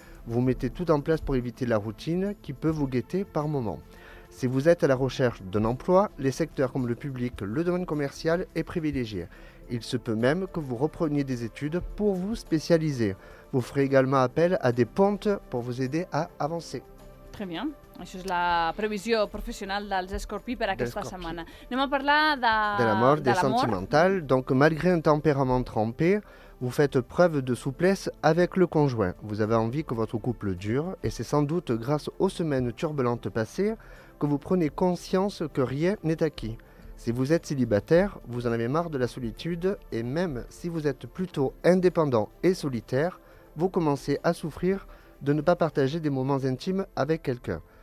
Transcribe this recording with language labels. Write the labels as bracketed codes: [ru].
[fr] Vous mettez tout en place pour éviter la routine qui peut vous guetter par moments. Si vous êtes à la recherche d'un emploi, les secteurs comme le public, le domaine commercial est privilégié. Il se peut même que vous repreniez des études pour vous spécialiser. Vous ferez également appel à des pontes pour vous aider à avancer. Très bien. [ca] Això és la previsió professional dels Escorpí per aquesta setmana. Anem a parlar de la mort, de sentimental. [fr] Donc, malgré un tempérament trempé, vous faites preuve de souplesse avec le conjoint. Vous avez envie que votre couple dure et c'est sans doute grâce aux semaines turbulentes passées que vous prenez conscience que rien n'est acquis. Si vous êtes célibataire, vous en avez marre de la solitude et même si vous êtes plutôt indépendant et solitaire, vous commencez à souffrir de ne pas partager des moments intimes avec quelqu'un.